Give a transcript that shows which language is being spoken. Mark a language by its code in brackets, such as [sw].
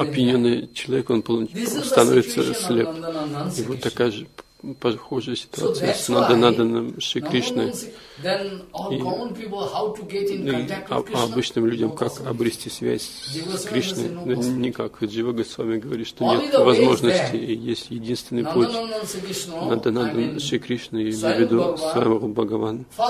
[ru] Опьяненный человек, он становится слеп. И вот такая же похожая ситуация с Нанданаданом Шри Кришной. [en] Then all common people how to get in contact with Krishna? [ru] А обычным людям как обрести связь с Кришной? Никак. Джива Госвами говорит, что нет возможности, есть единственный путь. Нанданадан Шри Кришна, я имею в виду Свайамруп Бхагаван.